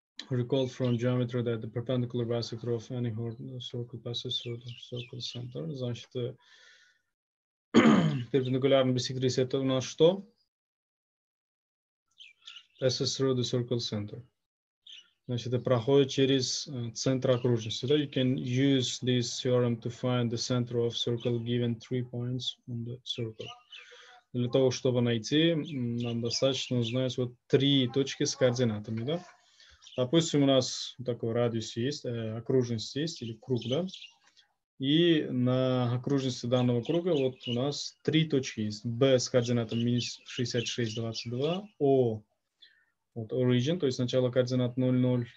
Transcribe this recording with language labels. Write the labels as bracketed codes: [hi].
[en] Recall from geometry that the perpendicular bisector of any circle passes through the circle center. [ru] Значит, перпендикулярная бисектриса это у нас что? [en] Passes through the circle center. [ru] Значит, это проходит через центр окружности. [en] So you can use this theorem to find the center of circle given three points on the circle. [ru] Для того, чтобы найти, нам достаточно узнать вот три точки с координатами, да? Допустим, у нас такой радиус есть, окружность есть, или круг, да? И на окружности данного круга вот у нас три точки есть. B с координатом минус 66, 22. O, вот origin, то есть начало координат 0, 0.